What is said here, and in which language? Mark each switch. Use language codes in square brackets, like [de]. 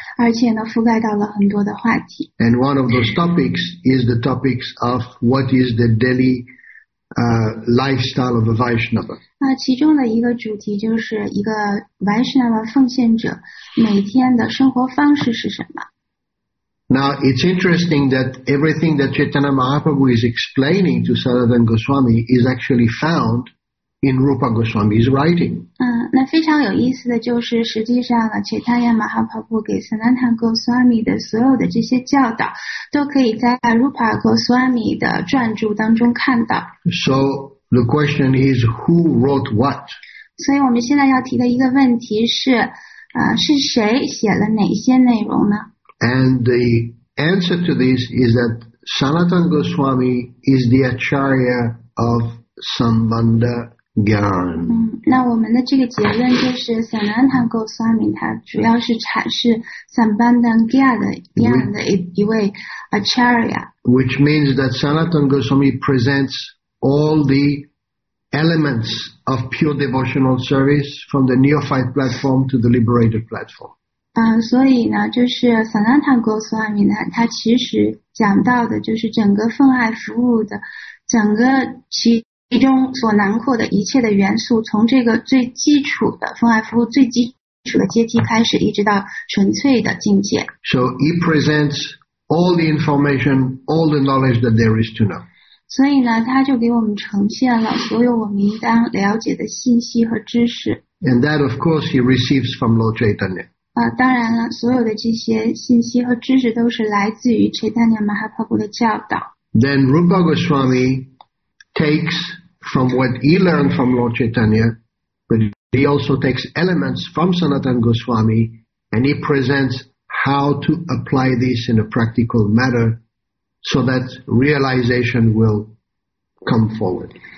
[zh] 而且呢，覆盖到了很多的话题。 [en] And one of those topics is the topics of what is the daily lifestyle of a Vaishnava. [zh] 那其中的一个主题就是一个 Vaishnava 奉献者每天的生活方式是什么。 [en] Now, it's interesting that everything that Chaitanya Mahaprabhu is explaining to Sanatana Goswami is actually found in Rupa Goswami's writing. [zh] 那非常有意思的就是实际上呢 Chaitanya Mahaprabhu 给 Sanatana Goswami 的所有的这些教导都可以在 Rupa Goswami 的传注当中看到。 [en] So, the question is, who wrote what? [zh] 所以我们现在要提的一个问题是是谁写了哪些内容呢？ [en] And the answer to this is that Sanatana Goswami is the acharya of Sambandha Gyan. [zh] 那我们的这个结论就是 Sanatana Goswami 他主要是阐释 Sambandha Gyan 的一位 acharya. [en] Which means that Sanatana Goswami presents all the elements of pure devotional service from the neophyte platform to the liberated platform. [zh] 所以呢就是 Sanatana Goswami 呢他其实讲到的就是整个奉爱服务的整个其中所囊括的一切的元素从这个最基础的奉爱服务最基础的阶梯开始一直到纯粹的境界。 [en] So he presents all the information, all the knowledge that there is to know. [zh] 所以呢他就给我们呈现了所有我们应当了解的信息和知识。 [en] And that of course he receives from Lord Chaitanya. [zh] 当然了所有的这些信息和知识都是来自于 Chaitanya Mahaprabhu 的教导。 [en] Then Rupa Goswami takes from what he learned from Lord Chaitanya, but he also takes elements from Sanatana Goswami, and he presents how to apply this in a practical manner so that realization will come forward.